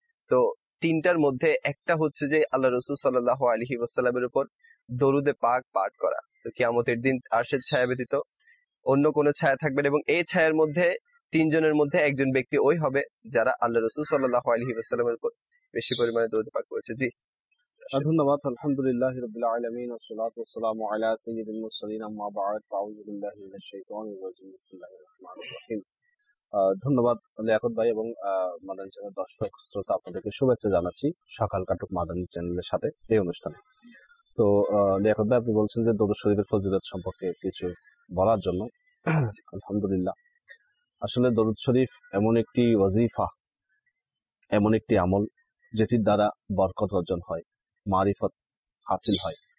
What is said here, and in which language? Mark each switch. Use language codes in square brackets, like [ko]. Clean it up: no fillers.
[bn] তো তিনটার মধ্যে একটা হচ্ছে যে আল্লাহ রসুল সাল্লাল্লাহু আলাইহি ওয়াসাল্লামের উপর দরুদ পাক পাঠ করা। তো কিয়ামতের দিন আরশের ছায়া ব্যতীত অন্য কোন ছায়া থাকবেন এবং এই ছায়ার মধ্যে তিনজনের মধ্যে একজন ব্যক্তি ওই হবে যারা আল্লাহ রসুল সাল্লাল্লাহু আলাইহি ওয়াসাল্লামের উপর বেশি পরিমাণে দরুদ পাক করেছে। জি [ar] ধন্যবাদ, আলহামদুলিল্লাহ রাব্বিল আলামিন والصلاه والسلام على سيد المرسلين اما بعد اعوذ بالله من الشيطان الرجيم بسم الله الرحمن الرحيم। [bn] ধন্যবাদ লিয়াকত ভাই এবং মাদানী চ্যানেল দর্শক শ্রোতা আপনাদেরকে শুভেচ্ছা জানাচ্ছি সকাল কাটুক মাদানী চ্যানেলের সাথে এই অনুষ্ঠানে। তো লিয়াকত ভাই, আপনি বলছেন যে দরুদ শরীফের ফজিলত সম্পর্কে কিছু বলার জন্য। আলহামদুলিল্লাহ, আসলে দরুদ শরীফ এমন একটি ওয়াজিফা, এমন একটি আমল যেটির দ্বারা বরকত অর্জন হয়, মারিফত হাসিল হয়।